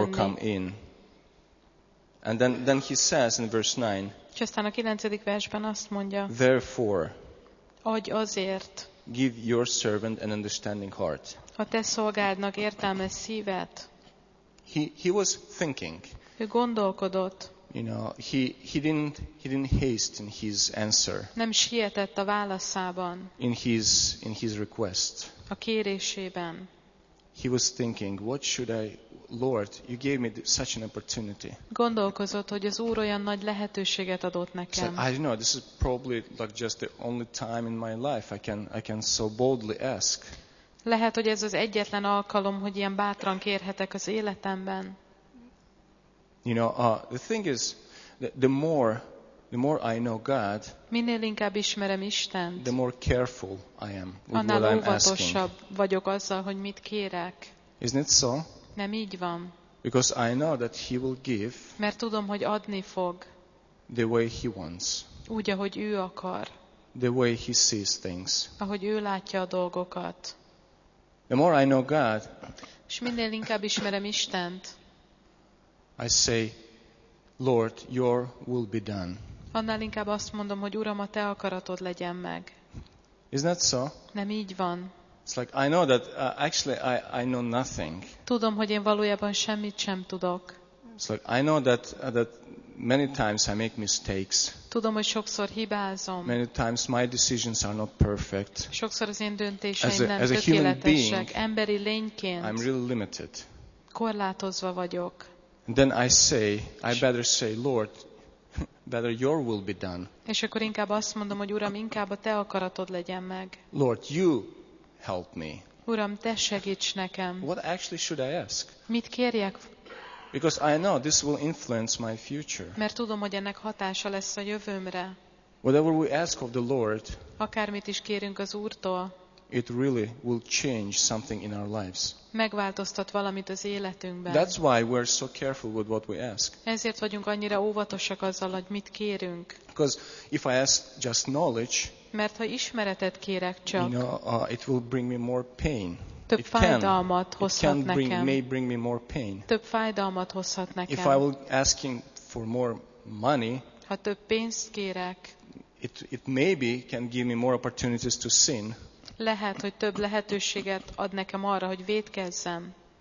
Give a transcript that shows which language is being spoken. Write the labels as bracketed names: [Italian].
[English] Or come in. And then he says in verse 9. [Hungarian] És aztán a 9. versben azt mondja. [English] Therefore. [Hungarian] Adj azért. [English] Give your servant an understanding heart. [Hungarian] A te szolgádnak értelmes szívet. [English] He was thinking. [Hungarian] Ő gondolkodott. [English] You know, he didn't haste in his answer. [Hungarian] Nem sietett a válaszában. [English] In his request. [Hungarian] A kérésében. [English] He was thinking, what should I, Lord, you gave me such an opportunity. [Hungarian] Gondolkozott, hogy az Úr olyan nagy lehetőséget adott nekem. [English] So, I don't know, this is probably like just the only time in my life I can so boldly ask. [Hungarian] Lehet, hogy ez az egyetlen alkalom, hogy ilyen bátran kérhetek az életemben. [English] You know, the thing is, the more I know God, [Hungarian] minél inkább ismerem Istent, [English] the more careful I am with [Hungarian] annál [English] what I'm [Hungarian] óvatosabb [English] asking. [Hungarian] Vagyok azzal, hogy mit kérek. [English] Isn't it so? [Hungarian] Nem így van. [English] Because I know that He will give. [Hungarian] Mert tudom, hogy adni fog. [English] The way He wants. [Hungarian] Úgy, ahogy ő akar. [English] The way He sees things. [Hungarian] Ahogy ő látja a dolgokat. [English] The more I know God. [Hungarian] És minél inkább ismerem Istent. [English] I say, Lord, your will be done. [Hungarian] Annál inkább azt mondom, hogy Uram, a te akaratod legyen meg. [English] Isn't that so? [Hungarian] Nem így van. [English] It's like I know that actually I know nothing. [Hungarian] Tudom, hogy én valójában semmit sem tudok. [English] It's like I know that many times I make mistakes. [Hungarian] Tudom, hogy sokszor hibázom. [English] Many times my decisions are not perfect. [Hungarian] Sokszor az én döntéseim nem tökéletesek. [English] As a human being, [Hungarian] emberi lényként. [English] I'm really limited. [Hungarian] korlátozva vagyok. [English] Then I say, I better say, Lord, better your will be done. [Hungarian] És akkor inkább azt mondom, hogy Uram, inkább a te akaratod legyen meg. [English] Lord, you help me. [Hungarian] Uram, te segíts nekem. [English] What actually should I ask? [Hungarian] Mit kérjek? [English] Because I know this will influence my future. [Hungarian] Mert tudom, hogy ennek hatása lesz a jövőmre. [English] Whatever we ask of the Lord, [Hungarian] akármit is kérünk az Úrtól, [English] it really will change something in our lives. [Hungarian] Megváltoztat valamit az életünkben. [English] That's why we're so careful with what we ask. [Hungarian] Ezért vagyunk annyira óvatosak azzal, hogy mit kérünk. [English] Because if I ask just knowledge, [Hungarian] mert ha ismeretet kérek csak, [English] you know, it will bring me more pain. [Hungarian] Több fájdalmat hozhat nekem. [English] May bring me more pain. [Hungarian] Több fájdalmat hozhat nekem. [English] If I will asking for more money, [Hungarian] ha több pénzt kérek, [English] it maybe can give me more opportunities to sin. [Hungarian] Lehet, hogy több lehetőséget ad nekem arra, hogy vétkezzem.